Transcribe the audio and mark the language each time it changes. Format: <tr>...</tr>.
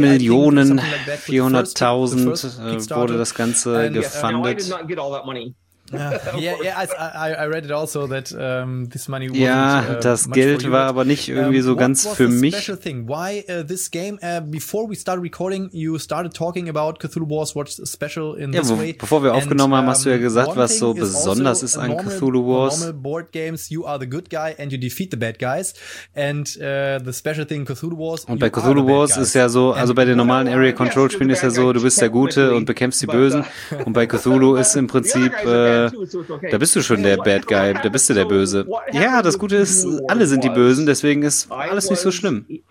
<de>$1,400,000 wurde das Ganze gefundet. Ja, das Geld war aber nicht irgendwie so ganz für mich.</de> <en>Special thing? Why this game? Before we started recording, you started talking about Cthulhu Wars. What's special in this way?</en> <de>Bevor wir aufgenommen haben, hast du ja gesagt, was so besonders ist an Cthulhu Wars.</de> <en>Normal board games, you are the good guy and you defeat the bad guys. And the special thing Cthulhu Wars.</en> <de>Und bei Cthulhu Wars ist ja so, also bei den normalen Area Control Spielen ist ja so, du bist der Gute und bekämpfst die Bösen. Und bei Cthulhu ist im Prinzip da bist du schon der Bad Guy, da bist du der Böse. Ja, das Gute ist, alle sind die Bösen, deswegen ist alles nicht so schlimm.</de>